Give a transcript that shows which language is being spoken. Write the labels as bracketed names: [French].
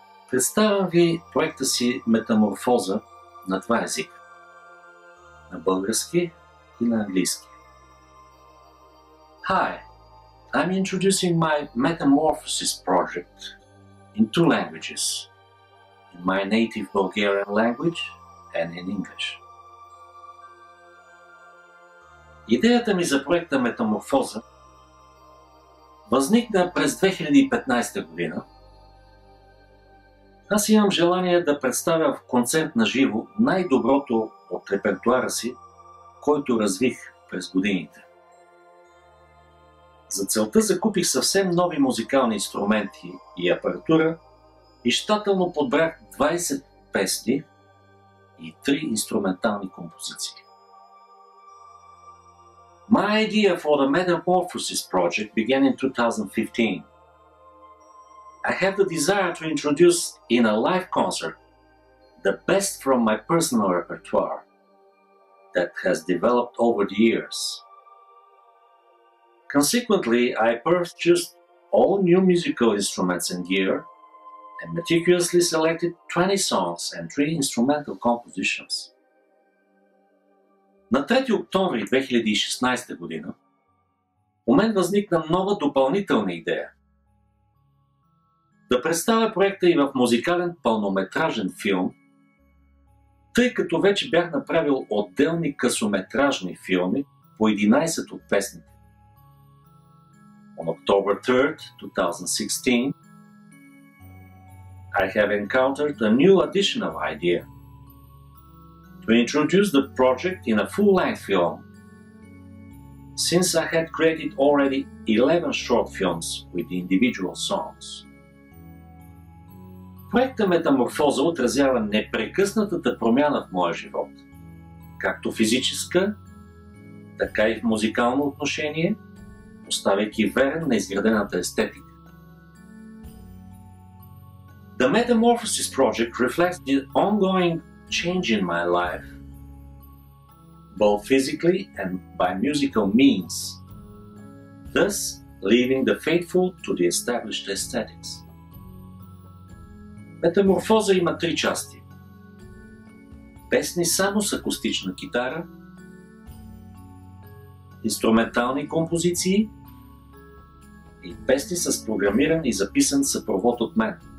[Bulgarian] Представям ви проекта си Метаморфоза на два езика. На български и на английски. [English] Hi, I'm introducing my Metamorphosis project in two languages. In my native Bulgarian language and in English. [Bulgarian] Идеята ми за проекта Метаморфоза възникна през 2015 година. Аз имам желание да представя в концерт на живо най-доброто от репертуара си, който развих през годините. За целта закупих съвсем нови музикални инструменти и апаратура и щателно подбрах 20 песни и 3 инструментални композиции. [English] My idea for the Metamorphosis project began in 2015. I had the desire to introduce in a live concert the best from my personal repertoire that has developed over the years. Consequently, I purchased all new musical instruments and gear and meticulously selected 20 songs and 3 instrumental compositions. [Bulgarian] На 3 октомври 2016 година у мен възникна нова допълнителна идея да представя проекта и в музикален пълнометражен филм, тъй като вече бях направил отделни късометражни филми по 11 от песните. [English] On October 3rd, 2016, I have encountered a new additional idea. To introduce the project in a full-length film, since I had created already 11 short films with the individual songs. [Bulgarian] Проектът Метаморфоза отразява непрекъснатата промяна в моя живот, както физическа, така и в музикално отношение, оставяйки верен на изградената естетика. [English] The Metamorphosis project reflects the ongoing change in my life, both physically and by musical means, thus leaving the faithful to the established aesthetics. [Bulgarian] Метаморфоза има три части. Песни само с акустична китара, инструментални композиции и песни с програмиран и записан съпровод от мен.